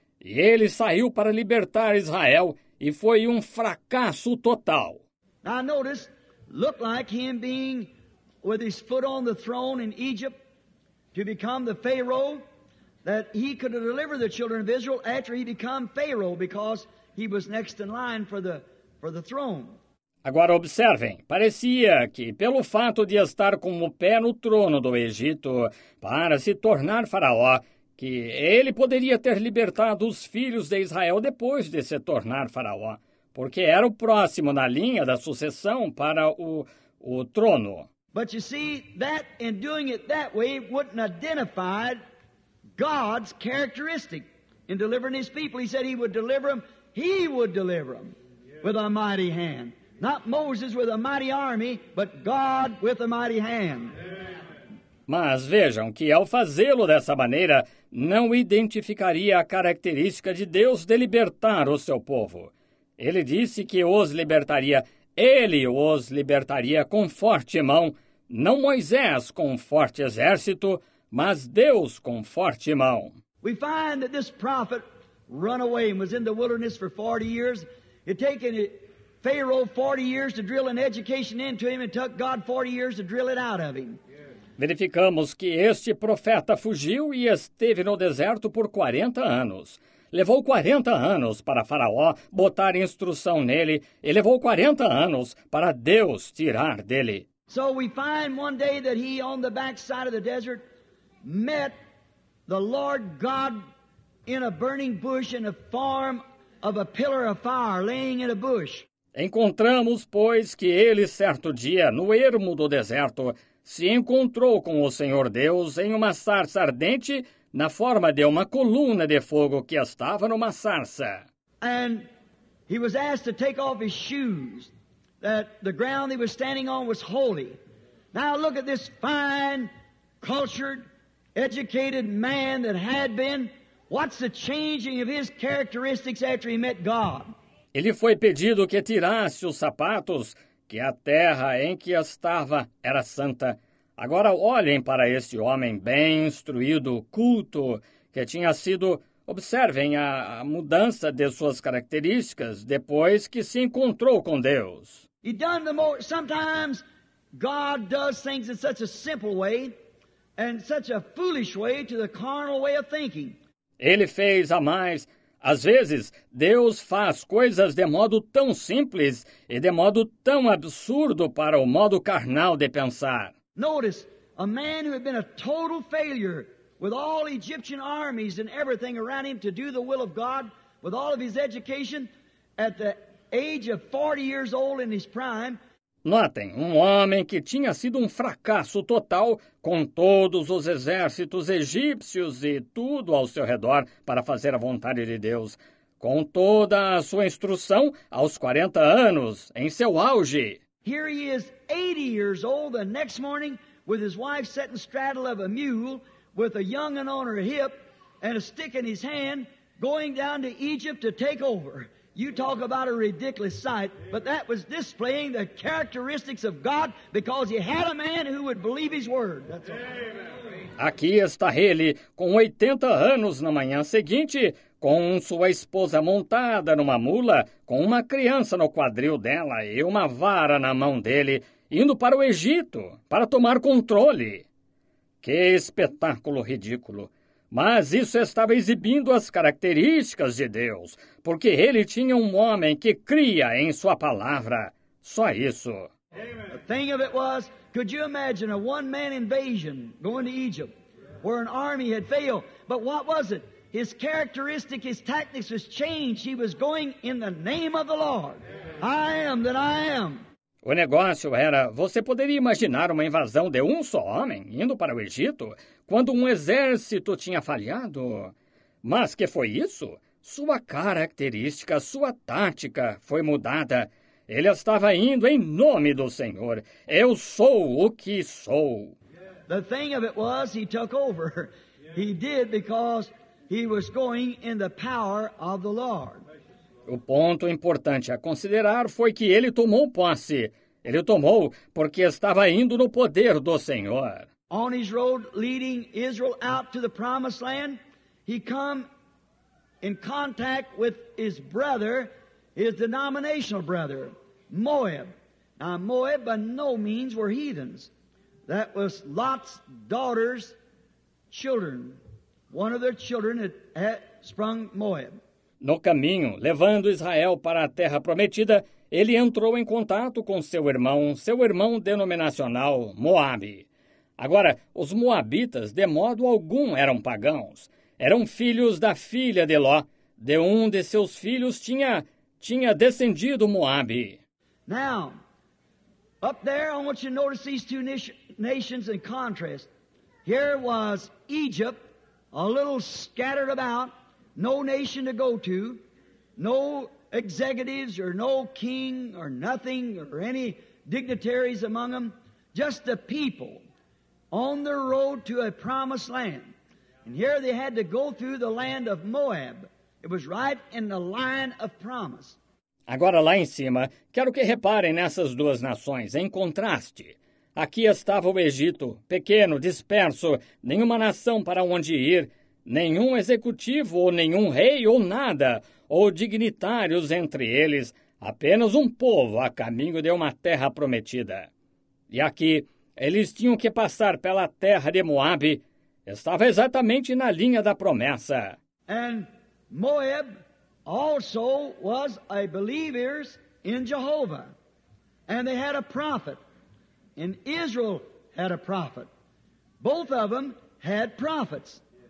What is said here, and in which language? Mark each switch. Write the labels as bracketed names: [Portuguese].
[Portuguese] E ele saiu para libertar Israel e foi um fracasso total. [English] I noticed, looked like him being with his foot on the throne in Egypt to become the Pharaoh, that he could deliver the children of Israel after he became Pharaoh because he was next in line for the throne. [Portuguese] Agora observem, parecia que pelo fato de estar com o pé no trono do Egito para se tornar faraó, que ele poderia ter libertado os filhos de Israel depois de se tornar faraó, porque era o próximo na linha da sucessão para o trono. [English] But you see, that in doing it that way wouldn't identify God's characteristic in delivering his people. He said he would deliver them with a mighty hand. Not Moses with a mighty army, but God with a mighty hand. [Portuguese] Mas vejam que ao fazê-lo dessa maneira, não identificaria a característica de Deus de libertar o seu povo. Ele disse que ele os libertaria com forte mão, não Moisés com um forte exército, mas Deus com forte mão. [English] We find that this prophet ran away and was in the wilderness for 40 years. It taken Pharaoh 40 years to drill an education into him and took God 40 years to drill it out of him. [Portuguese] Verificamos que este profeta fugiu e esteve no deserto por 40 anos. Levou 40 anos para Faraó botar instrução nele e levou 40 anos para Deus tirar dele. [English] So we find one day that he, on the backside of the desert, met the Lord God in a burning bush in the form of a pillar of fire laying in a bush. [Portuguese] Encontramos, pois, que ele, certo dia, no ermo do deserto, se encontrou com o Senhor Deus em uma sarça ardente na forma de uma coluna de fogo que estava numa sarça. [English] And he was asked to take off his shoes, that the ground he was standing on was holy. Now look at this fine, cultured, educated man that had been. What's the changing of his characteristics after he met God? [Portuguese] Ele foi pedido que tirasse os sapatos, que a terra em que estava era santa. Agora olhem para este homem bem instruído, culto, que tinha sido. Observem a mudança de suas características depois que se encontrou com Deus. [English] He done the most. Sometimes God does things in such a simple way and such a foolish way to the carnal way of thinking. [Portuguese] Ele fez a mais. Às vezes, Deus faz coisas de modo tão simples e de modo tão absurdo para o modo carnal de pensar. [English] Notice, a man who had been a total failure with all Egyptian armies and everything around him to do the will of God, with all of his education, at the age of 40 years old in his prime. [Portuguese] Notem, um homem que tinha sido um fracasso total com todos os exércitos egípcios e tudo ao seu redor para fazer a vontade de Deus, com toda a sua instrução aos 40 anos, em seu auge. [English] Here he is 80 years old the next morning with his wife sitting straddle of a mule with a young un on her hip and a stick in his hand going down to Egypt to take over. You talk about a ridiculous sight, but that was displaying the characteristics of God because he had a man who would believe his word. That's all. [Portuguese] Aqui está ele, com 80 anos na manhã seguinte, com sua esposa montada numa mula, com uma criança no quadril dela e uma vara na mão dele, indo para o Egito, para tomar controle. Que espetáculo ridículo! Mas isso estava exibindo as características de Deus, porque ele tinha um homem que cria em sua palavra. Só isso. [English] The thing of it was, could you imagine a one-man invasion going to Egypt where an army had failed? But what was it? His characteristic, his tactics was changed. He was going in the name of the Lord. I am that I am. [Portuguese] O negócio era, você poderia imaginar uma invasão de um só homem indo para o Egito quando um exército tinha falhado? Mas que foi isso? Sua característica, sua tática foi mudada. Ele estava indo em nome do Senhor. Eu sou o que sou. [English] The thing of it was, he took over. He did because he was going in the power of the Lord. [Portuguese] O ponto importante a considerar foi que ele tomou posse. Ele tomou porque estava indo no poder do Senhor. [English] On his road leading Israel out to the promised land, he come in contact with his brother, his denominational brother, Moab. Now, Moab by no means were heathens. That was Lot's daughter's children. One of their children had sprung Moab. [Portuguese] No caminho, levando Israel para a terra prometida, ele entrou em contato com seu irmão denominacional, Moab. Agora, os moabitas, de modo algum, eram pagãos. Eram filhos da filha de Ló. De um de seus filhos tinha descendido Moab. [English] Now, up there, I want you to notice these two nations in contrast. Here was Egypt, a little scattered about. No nation to go to, no executives or no king or nothing or any dignitaries among them, just the people on their road to a promised land. And here they had to go through the land of Moab. It was right in the line of promise. [Portuguese] Agora lá em cima, quero que reparem nessas duas nações, em contraste. Aqui estava o Egito, pequeno, disperso, nenhuma nação para onde ir, nenhum executivo, ou nenhum rei, ou nada, ou dignitários entre eles, apenas um povo a caminho de uma terra prometida. E aqui, eles tinham que passar pela terra de Moab, estava exatamente na linha da promessa. [English] And Moab also was a believer in Jehovah. And they had a prophet. And Israel had a prophet. Both of them had prophets.